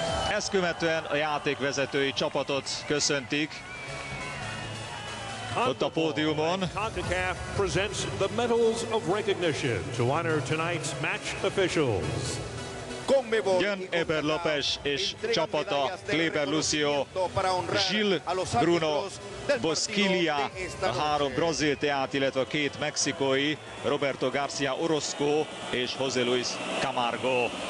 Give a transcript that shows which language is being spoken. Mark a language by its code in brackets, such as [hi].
[hu] Ezt követően a játékvezetői csapatot köszöntik. Ott a pódiumon. [en] CONCACAF presents the medals of recognition to honor tonight's match officials. [hu] Jön Eber López és csapata, Kleber Lucio, Gil Bruno, Bosquilia, a három brazil teát, illetve a két mexikói, Roberto García Orozco és José Luis Camargo.